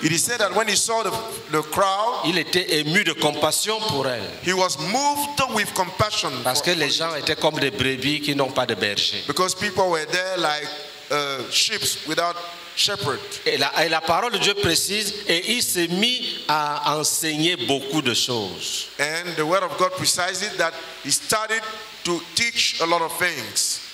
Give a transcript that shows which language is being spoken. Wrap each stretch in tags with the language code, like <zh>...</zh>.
<en>it is said that when he saw the crowd,</en> <fr>il était ému de compassion pour elle.</fr> <en>He was moved with compassion.</en> <fr>Parce que les gens étaient comme des brebis qui n'ont pas de berger.</fr> <en>Because people were there like sheep without shepherd.</en> <fr>Et la parole de Dieu précise et il s'est mis à enseigner beaucoup de choses.</fr> <en>And the word of God precises that he started to teach a lot of things.</en>